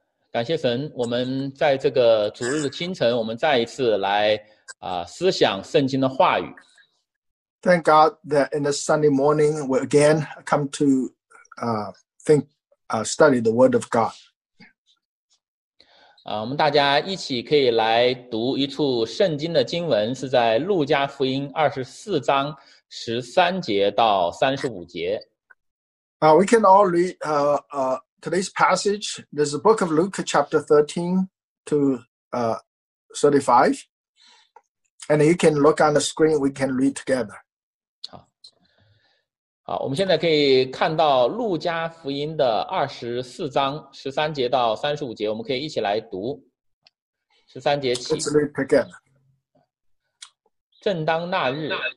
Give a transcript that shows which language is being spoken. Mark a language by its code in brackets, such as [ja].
[zh] 感谢神，我们在这个主日的清晨，我们再一次来思想圣经的话语。 [en] Thank God that in the Sunday morning we again come to study the Word of God. [zh] 我们大家一起可以来读一处圣经的经文，是在路加福音24:13-35。 [en] We can all read today's passage, there's a book of Luke chapter 13 to 35. And you can look on the screen, we can read together. [zh] 好，我们现在可以看到路加福音的24章13节到35节，我们可以一起来读。13节起。正当那日。